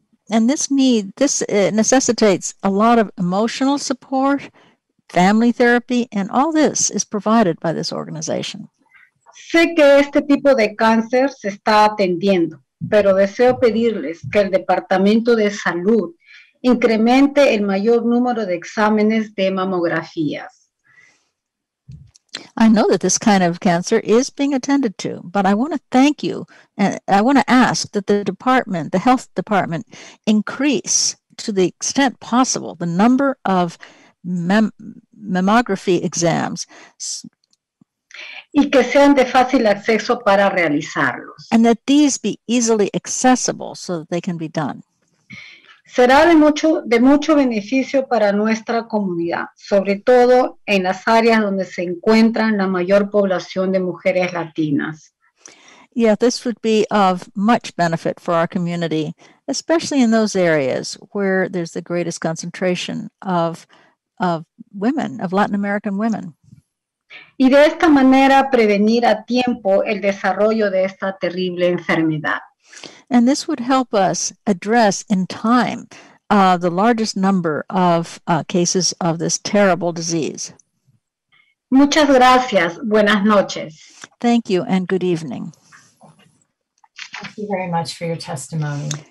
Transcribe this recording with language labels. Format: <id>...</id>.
<en>And this necessitates a lot of emotional support, family therapy, and all this is provided by this organization.</en> <es>Sé que este tipo de cáncer se está atendiendo, pero deseo pedirles que el Departamento de Salud incremente el mayor número de exámenes de mamografías.</es> <en>I know that this kind of cancer is being attended to, but I want to thank you, and I want to ask that the health department, increase to the extent possible the number of mammography exams.</en> <es>Y que sean de fácil acceso para realizarlos.</es> <en>And that these be easily accessible so that they can be done.</en> <es>Será de mucho beneficio para nuestra comunidad, sobre todo en las áreas donde se encuentran la mayor población de mujeres latinas.</es> <en>Yeah, this would be of much benefit for our community, especially in those areas where there's the greatest concentration of women, of Latin American women.</en> <es>Y de esta manera prevenir a tiempo el desarrollo de esta terrible enfermedad.</es> <en>And this would help us address in time the largest number of cases of this terrible disease.</en> <es>Muchas gracias. Buenas noches.</es> <en>Thank you and good evening. Thank you very much for your testimony.</en>